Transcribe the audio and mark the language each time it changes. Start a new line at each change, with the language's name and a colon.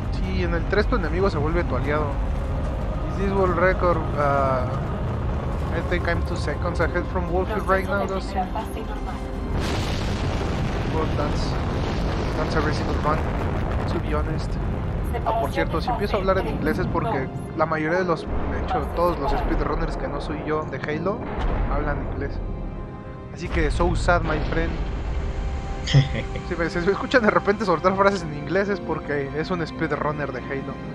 Spanish: Y en el 3 tu enemigo se vuelve tu aliado.
English: Is this world record? I think I'm 2 seconds ahead from Wolfie right now, does he? Well, that's every single run, to be honest.
Spanish: Ah, por cierto, si empiezo a hablar en inglés es porque la mayoría de los, de hecho, todos los speedrunners que no soy yo de Halo hablan inglés. Así que,
English: so sad, my friend.
Spanish: Si me escuchan de repente soltar frases en inglés es porque es un speedrunner de Halo.